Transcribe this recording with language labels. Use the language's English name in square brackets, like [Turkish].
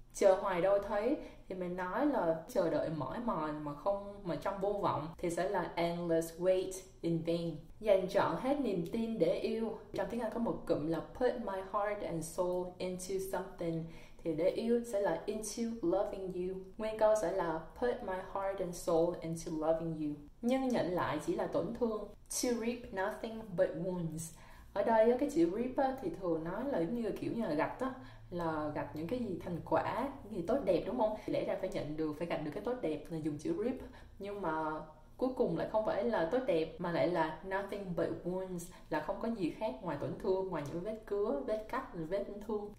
[Vietnamese] Chờ hoài đâu thấy thì mình nói là chờ đợi mỏi mòn mà không, mà trong vô vọng thì sẽ là [English] endless wait in vain. [Vietnamese] Dành trọn hết niềm tin để yêu, trong tiếng Anh có một cụm là [English] put my heart and soul into something, [Vietnamese] thì để yêu sẽ là [English] into loving you. [Vietnamese] Nguyên câu sẽ là [English] put my heart and soul into loving you. [Vietnamese] Nhưng nhận lại chỉ là tổn thương. [English] To reap nothing but wounds. [Vietnamese] Ở đây cái chữ reap thì thường nói là giống như kiểu như là gặt á, là gặt những cái gì thành quả, những gì tốt đẹp đúng không? Lẽ ra phải nhận được, phải gặt được cái tốt đẹp là dùng chữ reap. Nhưng mà cuối cùng lại không phải là tốt đẹp, mà lại là [English] nothing but wounds, [Vietnamese] là không có gì khác ngoài tổn thương, ngoài những vết cứa, vết cắt, vết thương.